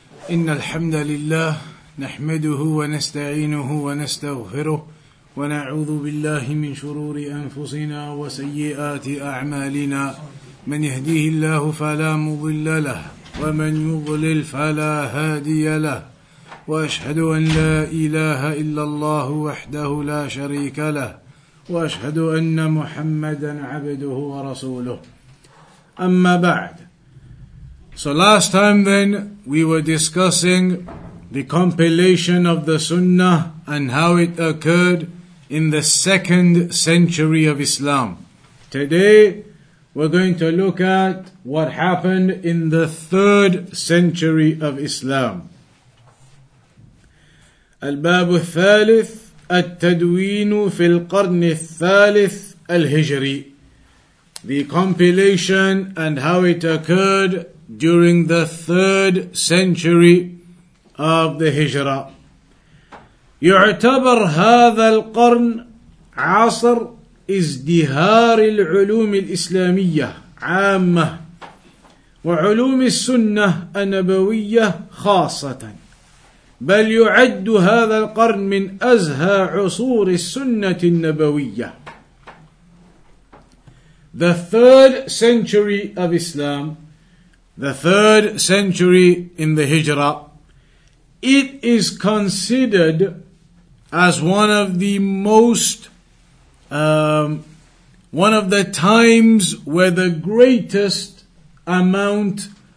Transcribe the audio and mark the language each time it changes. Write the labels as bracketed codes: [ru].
[ar] إن الحمد لله نحمده ونستعينه ونستغفره ونعوذ بالله من شرور أنفسنا وسيئات أعمالنا من يهديه الله فلا مضل له ومن يضلل فلا هادي له وأشهد أن لا إله إلا الله وحده لا شريك له وأشهد أن محمدا عبده ورسوله أما بعد. [en] So last time then we were discussing the compilation of the Sunnah and how it occurred in the second century of Islam. Today we're going to look at what happened in the third century of Islam. [ar] الباب الثالث التدوين في القرن الثالث الهجري. [en] The compilation and how it occurred during the third century of the Hijra. [ar] يعتبر هذا القرن عصر ازدهار العلوم الإسلامية عامة وعلوم السنة النبوية خاصة. بل يعد هذا القرن من أزهى عصور السنة النبوية. [en] The third century of Islam, the third century in the Hijra, it is considered as one of the most, one of the times where the greatest amount